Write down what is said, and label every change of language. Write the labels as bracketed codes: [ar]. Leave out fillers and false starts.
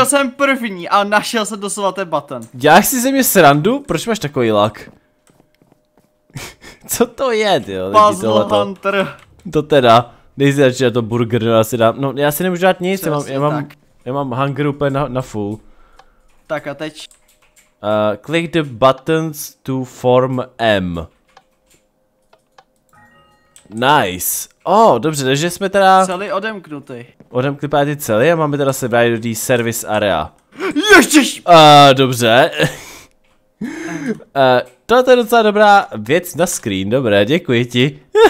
[cs] Otevřel jsem první a našel jsem doslova ten button. Děláš si ze mě srandu? Proč máš takový lak? co to je, jo? [en] Puzzle Hunter. [cs] To teda, nejsi radši na to burger, já si dám, no já si nemůžu dát nic, já mám, já mám [en] hunger [cs] úplně na [en] full. [cs] Tak a teď? [en] Click the buttons to form M. Nice. [cs] Oh, dobře, takže jsme teda... Celý odemknutý. Odemkli pár ty celý a máme teda se vrátit do tý service area. Ježiš! Dobře. to je docela dobrá věc na screen, dobré, děkuji ti.